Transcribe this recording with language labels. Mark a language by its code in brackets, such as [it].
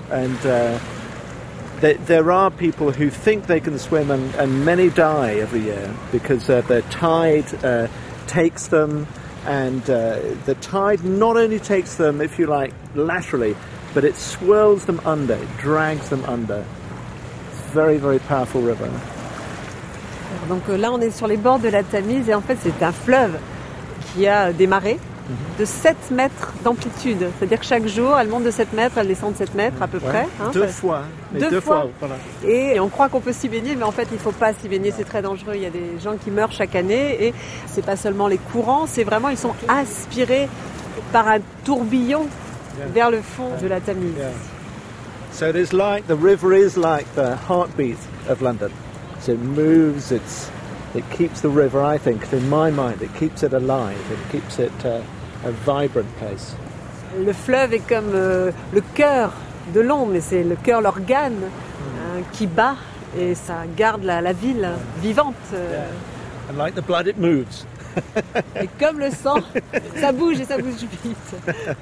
[en] And there are people who think they can swim and many die every year because the tide takes them and the tide not only takes them, if you like, laterally, but it swirls them under, it drags them under. It's a very, very powerful river. [fr] Donc là, on est sur les bords de la Tamise et en fait, c'est un fleuve qui a démarré de 7 mètres d'amplitude. C'est-à-dire que chaque jour, elle monte de 7 mètres, elle descend de 7 mètres à peu près. Hein, deux fois. Voilà. Et on croit qu'on peut s'y baigner, mais en fait, il ne faut pas s'y baigner. C'est très dangereux. Il y a des gens qui meurent chaque année. Et ce n'est pas seulement les courants, c'est vraiment, ils sont aspirés par un tourbillon vers le fond de la Tamise. [en] So it is like, the river is like the heartbeat of London. So it moves, it's... It keeps the river, I think, in my mind, it keeps it alive, it keeps it a vibrant place. [fr] Le fleuve est comme le cœur de Londres, mais c'est le cœur, l'organe qui bat et ça garde la ville vivante. [en] And like the blood, it moves. [fr] Et comme le sang, ça bouge et ça bouge vite.